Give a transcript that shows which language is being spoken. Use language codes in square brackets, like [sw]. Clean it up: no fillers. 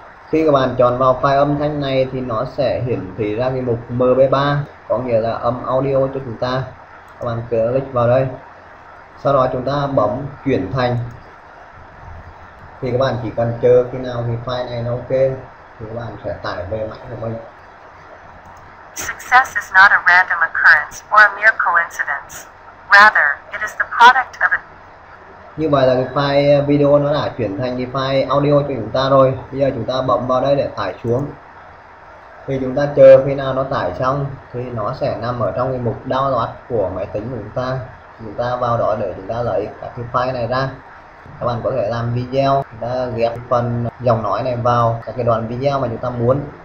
[vi] Khi các bạn chọn vào file âm thanh này thì nó sẽ hiển thị ra cái mục MP3, có nghĩa là âm audio cho chúng ta. Các bạn click vào đây. Sau đó chúng ta bấm chuyển thành. Thì các bạn chỉ cần chờ khi nào thì file này nó ok thì các bạn sẽ tải về máy của mình. [en] Success is not a random occurrence or a mere coincidence. Rather, it is the product of a... [vi] Như vậy là cái file video nó đã chuyển thành cái file audio cho chúng ta rồi. Bây giờ chúng ta bấm vào đây để tải xuống. Thì chúng ta chờ khi nào nó tải xong thì nó sẽ nằm ở trong cái mục download của máy tính của chúng ta. Chúng ta vào đó để chúng ta lấy các cái file này ra. Các bạn có thể làm video, chúng ta ghép phần giọng nói này vào các cái đoạn video mà chúng ta muốn.